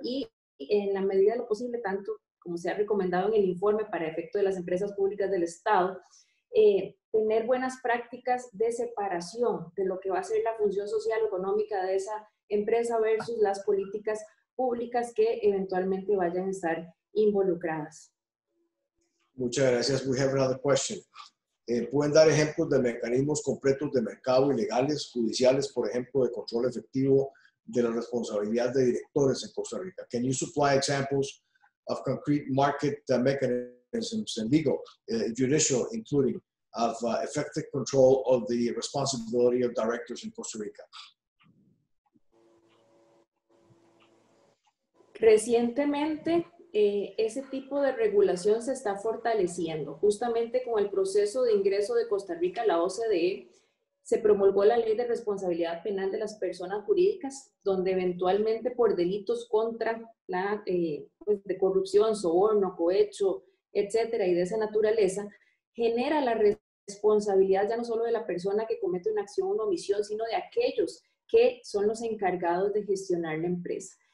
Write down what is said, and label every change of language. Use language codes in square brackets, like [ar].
[es] Y en la medida de lo posible, tanto como se ha recomendado en el informe para efecto de las empresas públicas del Estado, tener buenas prácticas de separación de lo que va a ser la función social económica de esa empresa versus las políticas públicas que eventualmente vayan a estar involucradas. Muchas gracias. [en] We have another question. [es] ¿Pueden dar ejemplos de mecanismos concretos de mercado ilegales, judiciales, por ejemplo, de control efectivo de la responsabilidad de directores en Costa Rica? [en] Can you supply examples of concrete market mechanisms and legal, judicial, including of effective control of the responsibility of directors in Costa Rica? [es] Recientemente, ese tipo de regulación se está fortaleciendo. Justamente con el proceso de ingreso de Costa Rica a la OCDE, se promulgó la Ley de Responsabilidad Penal de las Personas Jurídicas, donde eventualmente por delitos contra la pues de corrupción, soborno, cohecho, etcétera, y de esa naturaleza, genera la responsabilidad ya no solo de la persona que comete una acción o una omisión, sino de aquellos que son los encargados de gestionar la empresa.